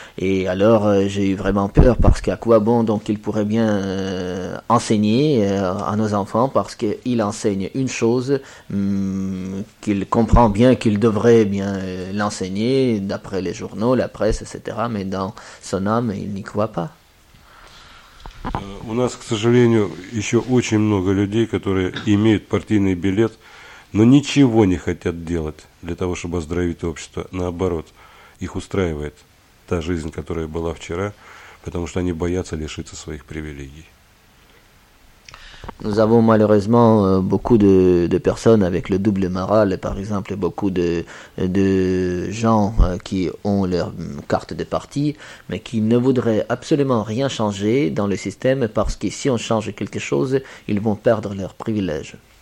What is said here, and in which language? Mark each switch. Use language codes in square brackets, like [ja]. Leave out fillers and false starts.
[fr] Et alors j'ai eu vraiment peur parce qu'à quoi bon, donc il pourrait bien enseigner à nos enfants parce qu'il enseigne une chose qu'il comprend bien qu'il devrait bien l'enseigner d'après les journaux, la presse, etc. Mais dans son âme, il n'y croit pas. [ru] У нас, к сожалению, еще очень много людей, которые имеют партийный билет, но ничего не хотят делать для того, чтобы оздоровить общество. Наоборот, их устраивает та жизнь, которая была вчера, потому что они боятся лишиться своих привилегий. [fr] Nous avons malheureusement beaucoup de personnes avec le double moral, par exemple beaucoup de gens qui ont leur carte de parti, mais qui ne voudraient absolument rien changer dans le système, parce que si on change quelque chose, ils vont perdre leurs privilèges.